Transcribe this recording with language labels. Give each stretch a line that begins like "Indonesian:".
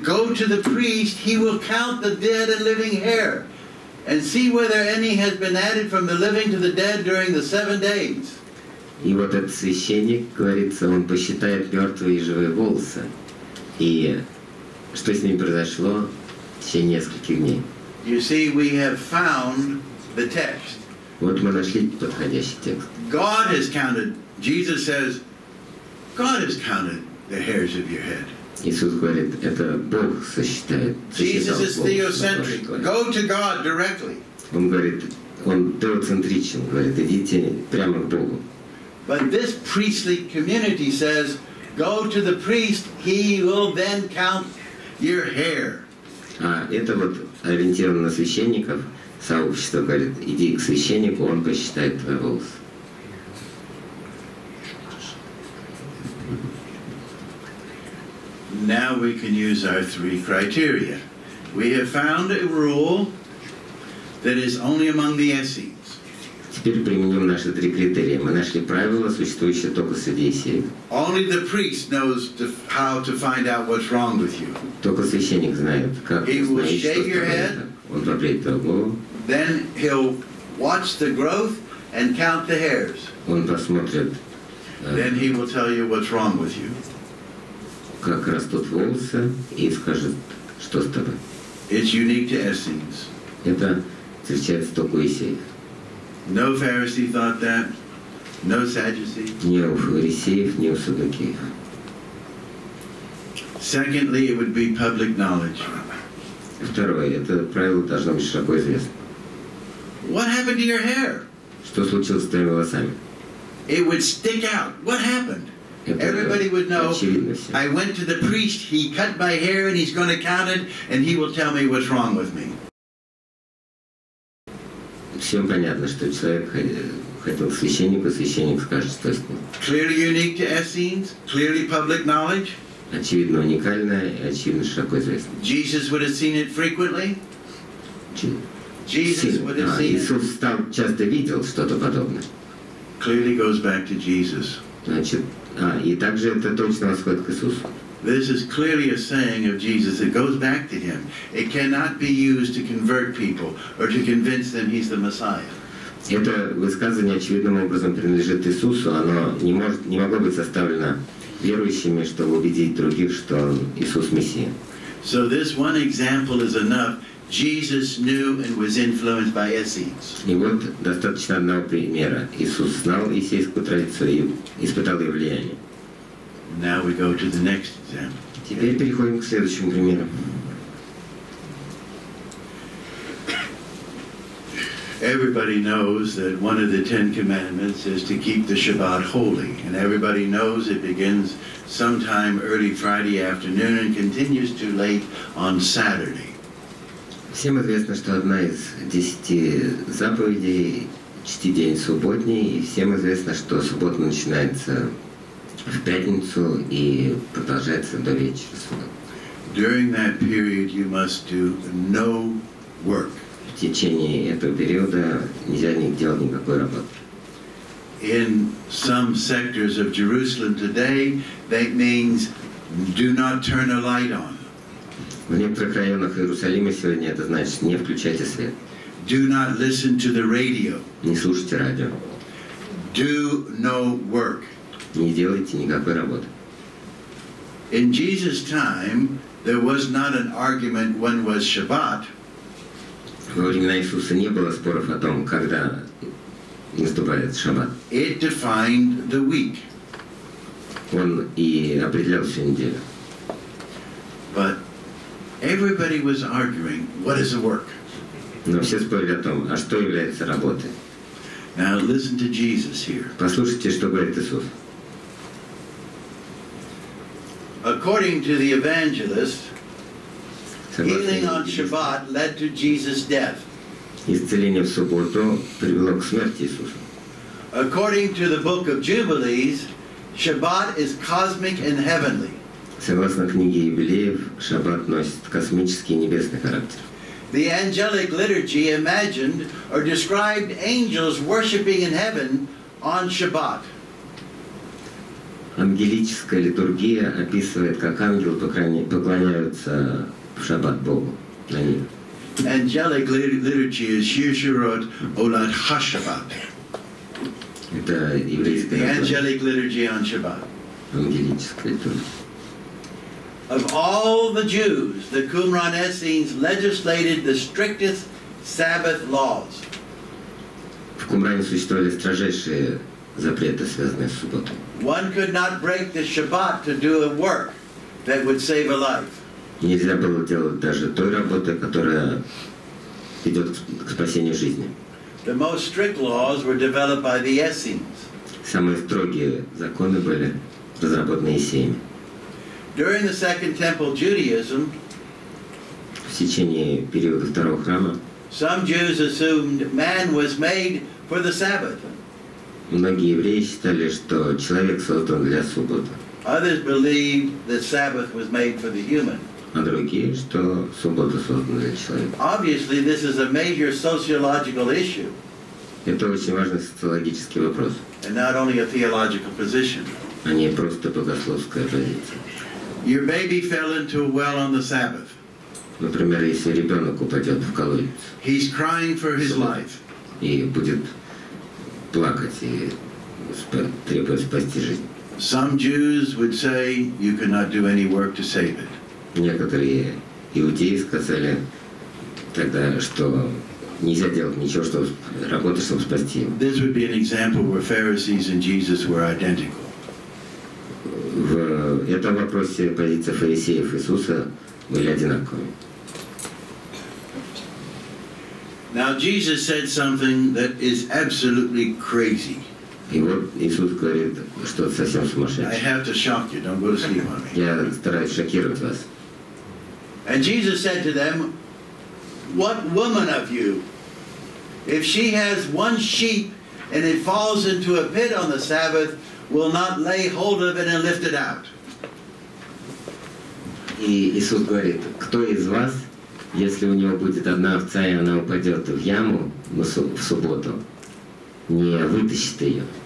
English: Go to the priest, he will count the dead and living hair and see whether any has been added from the living to the dead during the 7 days.
Russian: И вот этот священник, говорится, он посчитает мертвые и живые волосы. И что с ним произошло в течение нескольких дней?
English: You see, we have found the text.
Russian: Вот мы нашли подходящий текст.
English: God has counted, Jesus says, God has counted the hairs of your head.
Russian: Иисус говорит, это Бог сосчитает.
English: Jesus is theocentric. Go to God directly.
Russian: Он говорит, он теоцентричен, говорит, идите прямо к Богу.
English: But this priestly community says, go to the priest, he will then count your hair.
Russian: А это вот ориентировано на священников, сообщество говорит, иди к священнику, он посчитает твои волосы.
English: Now we can use our three criteria. We have found a rule that is only among the Essenes.
Russian: Теперь применим наши три критерия. Мы нашли правила, существующие только среди Эссенов.
English: Only the priest knows how to find out what's wrong with you.
Russian: Только священник знает, как узнать, что с тобой.
English: He will shave your head.
Russian: Он побреет твою голову.
English: Then he'll watch the growth and count the hairs.
Russian: Он посмотрит.
English: Then he will tell you what's wrong with you.
Russian: Как растут волосы и скажет, что с тобой.
English: It's unique to Essenes.
Russian: Это встречается только у Эссенов.
English: No Pharisee thought that. No Sadducee.
Russian: Ни у фарисеев, ни у саддукеев.
English: Secondly, it would be public knowledge.
Russian: Второе, это правило должно быть широко известно.
English: What happened to your hair?
Russian: Что случилось с твоими волосами?
English: It would stick out. What happened? Everybody would know, I went to the priest, he cut my hair and he's going to count it and he will tell me what's wrong with me.
Russian: Всем понятно, что человек ходил к священнику, священник скажет, что с ним.
English: Clearly unique to Essenes, clearly public knowledge.
Russian: Очевидно, уникальное и очевидно, широко известно.
English: Jesus would have seen it frequently. Jesus would have seen it.
Russian: Иисус там часто видел что-то подобное.
English: Clearly goes back to Jesus.
Russian: Значит, и также это точно восходит к Иисусу.
English: This is clearly a saying of Jesus. It goes back to him. It cannot be used to convert people or to convince them he's the Messiah.
Russian: Это высказывание очевидным образом принадлежит Иисусу. Оно не могло быть составлено верующими, чтобы убедить других, что Иисус Мессия.
English: So this one example is enough. Jesus knew and was influenced by Essenes.
Russian: И вот достаточно одного примера. Иисус знал эссенскую традицию и испытал ее влияние.
English: Now we go to the next example.
Russian: Теперь переходим к следующему примеру.
English: Everybody knows that one of the Ten Commandments is to keep the Shabbat holy. And everybody knows it begins sometime early Friday afternoon and continues too late on Saturday.
Russian: Всем известно, что одна из десяти заповедей – чти день субботний. И всем известно, что суббота начинается в пятницу и продолжается до вечера суббота.
English: During that period you must do no work.
Russian: В течение этого периода нельзя делать никакой работы.
English: In some sectors of Jerusalem today, that means do not turn a light on.
Russian: В некоторых районах Иерусалима сегодня это значит не включайте свет.
English: Do not listen to the radio.
Russian: Не слушайте радио.
English: Do no work.
Russian: Не делайте никакой работы.
English: In Jesus' time, there was not an argument when was Shabbat.
Russian: Во времена Иисуса не было споров о том, когда наступает Шаббат.
English: It defined the week.
Russian: Он и определял всю неделю.
English: But everybody was arguing, what is the work?
Russian: Но все спорили о том, а что является работой?
English: Now listen to Jesus here.
Russian: Послушайте, что говорит Иисус.
English: According to the evangelist, healing on Shabbat led to Jesus' death.
Russian: Исцеление в субботу привело к смерти Иисуса.
English: According to the book of Jubilees, Shabbat is cosmic and heavenly.
Russian: Согласно книге Юбилеев, Шаббат носит космический и небесный характер.
English: The angelic liturgy imagined or described angels worshiping in heaven on Shabbat.
Russian: Ангелическая литургия описывает, как ангелы поклоняются в Шаббат Богу.
English: Angelic liturgy is Yishurot Olad HaShabbat.
Russian: Это еврейская
English: литургия. Angelic liturgy on Shabbat.
Russian: Ангелическая литургия.
English: Of all the Jews, the Qumran Essenes legislated the strictest Sabbath laws.
Russian: В Кумране существовали строжайшие запреты, связанные с субботой.
English: One could not break the Shabbat to do a work that would save a life.
Russian: Нельзя было делать даже той работы, которая ведет к спасению жизни.
English: The most strict laws were developed by the Essenes.
Russian: Самые строгие законы были разработаны Эссенами.
English: During the Second Temple Judaism,
Russian: в течение периода Второго храма,
English: some Jews assumed man was made for the Sabbath.
Russian: Многие евреи считали, что человек создан для субботы.
English: Others believed that Sabbath was made for the human.
Russian: А другие, что суббота создана для человека.
English: Obviously, this is a major sociological issue.
Russian: Это очень важный социологический вопрос.
English: And not only a theological position.
Russian: А не просто богословская позиция.
English: Your baby fell into a well on the Sabbath.
Russian: Например, если ребенок упадет в колодец.
English: He's crying for his life.
Russian: И будет плакать и требовать спасти жизнь.
English: Some Jews would say you cannot do any work to save it.
Russian: Некоторые иудеи сказали тогда, что нельзя делать ничего, чтобы работать, чтобы спасти его.
English: This would be an example where Pharisees and Jesus were identical.
Russian: В этом вопросе позиция фарисеев Иисуса были одинаковыми.
English: Now Jesus said something that is absolutely crazy.
Russian: И вот Иисус говорит, что совсем сумасшедший.
English: I have to shock you. Don't go to sleep on me.
Russian: Я стараюсь шокировать вас.
English: And Jesus said to them, "What woman of you, if she has one sheep and it falls into a pit on the Sabbath, will not lay hold of it and lift it out?"
Russian: И Иисус говорит, кто из вас, если у него будет одна овца и она упадет в яму в субботу, не вытащит ее?